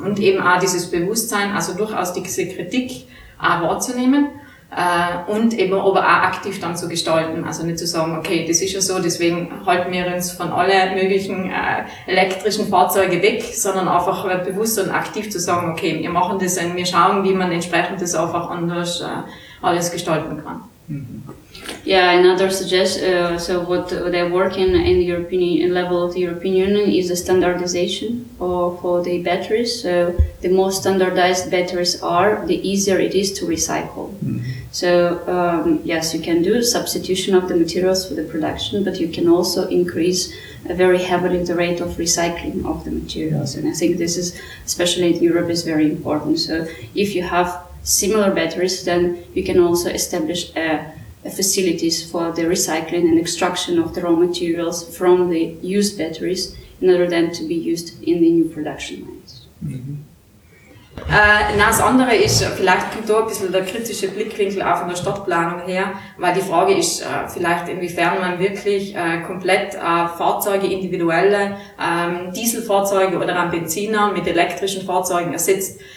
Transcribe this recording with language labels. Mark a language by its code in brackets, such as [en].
[de] Und eben auch dieses Bewusstsein, also durchaus diese Kritik auch wahrzunehmen und eben aber auch aktiv dann zu gestalten. Also nicht zu sagen, okay, das ist ja so, deswegen halten wir uns von alle möglichen elektrischen Fahrzeuge weg, sondern einfach bewusst und aktiv zu sagen, okay, wir machen das und wir schauen, wie man entsprechend das einfach anders alles gestalten kann. [en] Yeah, another suggestion, so what they're working in the European level of the European Union is a standardization for the batteries. So the more standardized batteries are, the easier it is to recycle. Mm-hmm. So yes, you can do substitution of the materials for the production, but you can also increase very heavily the rate of recycling of the materials. And I think this is, especially in Europe, is very important. So if you have similar batteries, then you can also establish facilities for the recycling and extraction of the raw materials from the used batteries in order then to be used in the new production lines. Mm-hmm. [de] Das andere ist, vielleicht kommt da ein bisschen der kritische Blickwinkel auch von der Stadtplanung her, weil die Frage ist vielleicht, inwiefern man wirklich komplett Fahrzeuge, individuelle Dieselfahrzeuge oder am Benziner mit elektrischen Fahrzeugen ersetzt.